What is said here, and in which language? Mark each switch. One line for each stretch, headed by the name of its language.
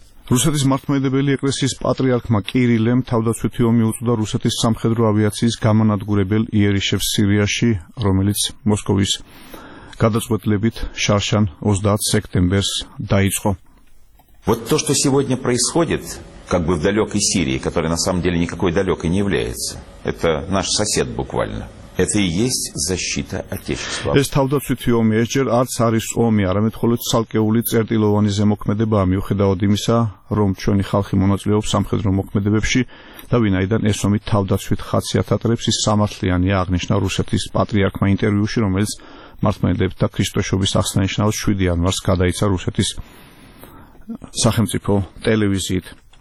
Georgian: რუსეთის მართლმადიდებელი ეკლესიის პატრიარქმა კირილემ თავდაცვითი ომი უწოდა რუსეთის სამხედრო ავიაციის გამანადგურებელ იერიშევს სირიაში, რომელიც მოსკოვის გადაწყვეტლებით შარშან 30 სექტემბერს დაიწყო.
Russian: Вот то, что сегодня происходит, как бы в далёкой Сирии, которая на самом деле никакой далёкой не является. Это наш сосед буквально. Это и есть защита отечества.
Georgian: Ეს თავდაცვითი ომი ეჯერ არც არის ომი, არამედ ხოლოდ ცალკეული წერტილოვანი ზემოქმედებაა, მიუხედავად იმისა, რომ ჩვენი ხალხი მონაწილეობს სამხედრო მოქმედებებში და ვინაიდან ეს ომი თავდაცვით ხასიათატრებს, ის სამართლიანია, აღნიშნა რუსეთის პატრიარქმა ინტერვიუში, რომელიც მართლმადიდებელთა და ქრისტეშობის აღსანიშნავად 7 იანვარს გადაიცა რუსეთის სახელმწიფო ტელევიზიით.